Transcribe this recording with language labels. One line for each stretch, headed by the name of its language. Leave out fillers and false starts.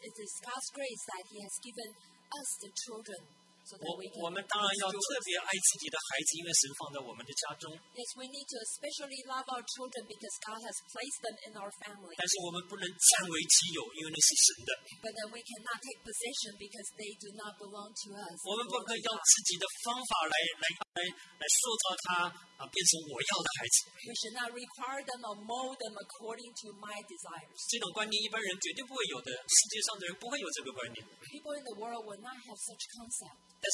English: It is God's grace that he has given us the children.
Chinese: 我们当然要特别爱自己的孩子，因为神放在我们的家中。
English: Yes, we need to especially love our children because God has placed them in our family.
Chinese: 但是我们不能占为己有，因为那是神的。
English: But then we cannot take possession because they do not belong to us.
Chinese: 我们不可以用自己的方法来塑造他，变成我要的孩子。
English: We should not require them or mold them according to my desires.
Chinese: 这种观念一般人绝对不会有的，世界上的人不会有这个观念。
English: People in the world will not have such concept.